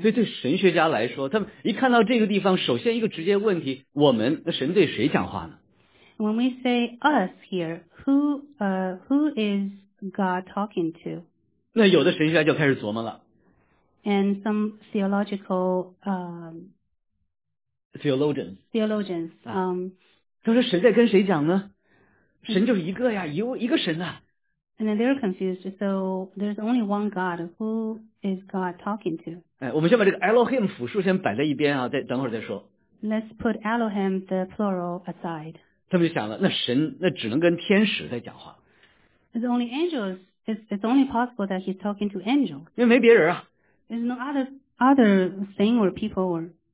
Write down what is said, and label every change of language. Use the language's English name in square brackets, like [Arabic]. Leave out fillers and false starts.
[Chinese] 所以对神学家来说，他们一看到这个地方，首先一个直接问题：我们那神对谁讲话呢？ [English] When we say us here, who is God talking to? [Chinese] 那有的神学家就开始琢磨了。 [English] And some theological theologians、啊、 [Chinese] 都说神在跟谁讲呢？神就是一个呀，一个神啊。 [English] And they're confused. So there's only one God. Who is God talking to? [Chinese] 哎，我们先把这个 Elohim 复数先摆在一边啊，再等会儿再说。 [English] Let's put Elohim the plural aside. [Chinese] 他们就想了，那神那只能跟天使在讲话。 [English] It's only angels. It's only possible that he's talking to angels. [Chinese] 因为没别人啊。 [English] There's no other thing or people or.